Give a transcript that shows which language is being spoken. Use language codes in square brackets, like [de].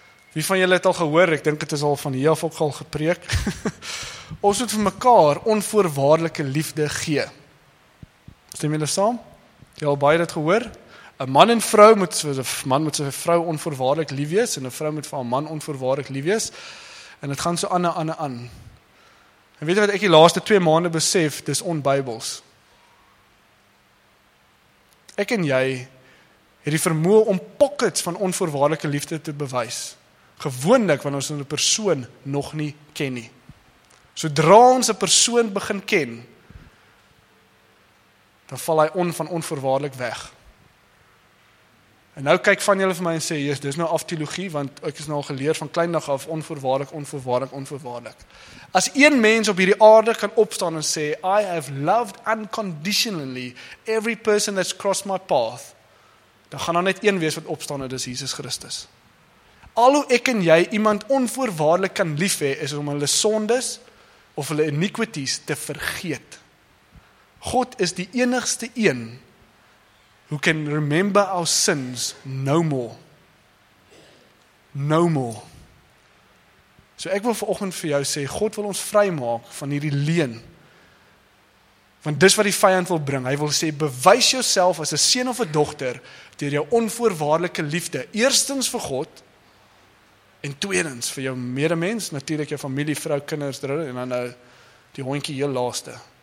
[af] Wie van julle het al gehoor, ek denk het is al van hier af ook al gepreek, ons moet vir mekaar onvoorwaardelike liefde gee. Stem julle saam? Jy al baie dit gehoor? Een man en vrou moet, man moet sy vrou onvoorwaardelik lief wees, en een vrou moet vir een man onvoorwaardelik lief wees, en het gaan so aan en aan en aan. En weet wat ek die laaste 2 maande besef, dis onbybels. Ek en jy het die vermoe om pockets van onvoorwaardelike liefde te bewys, gewoonlik, want ons een persoon nog nie ken nie. Sodra ons een persoon begin ken, dan val hy van onvoorwaardelik weg. En nou kyk van julle vir my en sê, jy is nou af theologie, want ek is nou al geleer van kleindag af, onvoorwaardelik, onvoorwaardelik, onvoorwaardelik. As een mens op hierdie aarde kan opstaan en sê, [en] I have loved unconditionally every person that's crossed my path, [af] dan gaan daar net een wees wat opstaan, dit is Jesus Christus. Al hoe ek en jy iemand onvoorwaardelik kan lief hê, is om hulle sondes of hulle iniquities te vergeet. God is die enigste een [en] who can remember our sins no more. No more. [af] So ek wil vanoggend vir jou sê, God wil ons vrymaak van hierdie leen. Want dis wat die vyand wil bring. Hy wil sê, bewys jouself as 'n seun of 'n dogter deur jou onvoorwaardelike liefde. Eerstens vir God, en tweedens vir jou medemens, natuurlik jou familie, vrou, kinders, en dan nou die hondjie heel laaste.